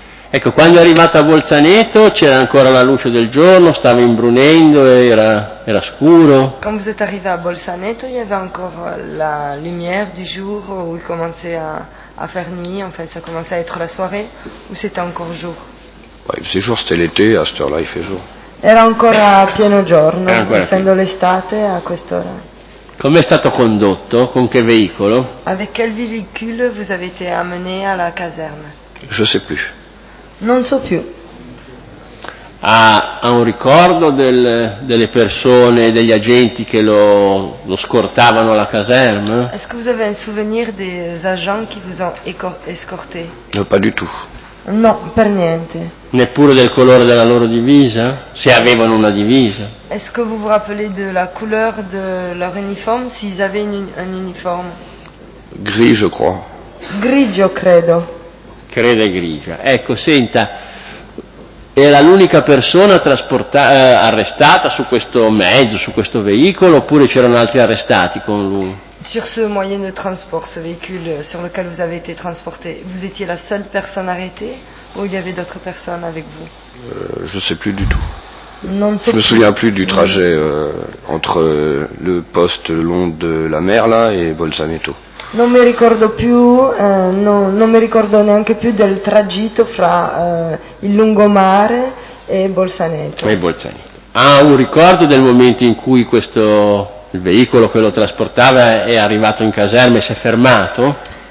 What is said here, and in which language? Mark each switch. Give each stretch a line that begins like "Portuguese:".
Italian: Ecco, quando è arrivato a Bolzaneto c'era ancora la luce del giorno, stava imbrunendo, era scuro.
French: Quand vous êtes arrivé à Bolzaneto, il y avait encore la lumière du jour, où il commençait à faire nuit, en fait, ça commençait à être la soirée, ou c'était encore jour? Il faisait jour, c'était l'été, à cette heure-là il fait jour.
Italian: Era ancora pieno giorno, essendo l'estate a quest'ora. Com'è stato condotto? Con che veicolo?
French: Avec quel véhicule vous avez été amené à la caserne? Je sais plus.
Italian: Non so più. Ha un ricordo delle persone, degli agenti che lo scortavano alla caserma?
French: Est-ce que vous avez un souvenir des agents qui vous ont escorté? No, pas du tout.
Italian: No, per niente. Neppure del colore della loro divisa? Se avevano una divisa.
French: Est-ce que vous vous rappelez de la couleur de leur uniforme, s'ils avaient un uniforme? Grigio, crois.
Italian: Grigio, credo. Crede grigia. Ecco, senta, era l'unica persona arrestata su questo mezzo, su questo veicolo, oppure c'erano altri arrestati con lui?
French: Sur ce moyen de transport, ce véhicule sur lequel vous avez été transporté, vous étiez la seule personne arrêtée ou il y avait d'autres personnes avec vous? Je ne sais plus du tout. Non, je me souviens plus du trajet entre le poste long de la mer là et Bolzaneto.
Italian: Non mi ricordo più, non mi ricordo neanche più del tragitto fra il lungomare e Bolzaneto. E Bolzaneto. Ha un ricordo del momento in cui questo il veicolo che lo trasportava è arrivato in caserma e si è fermato?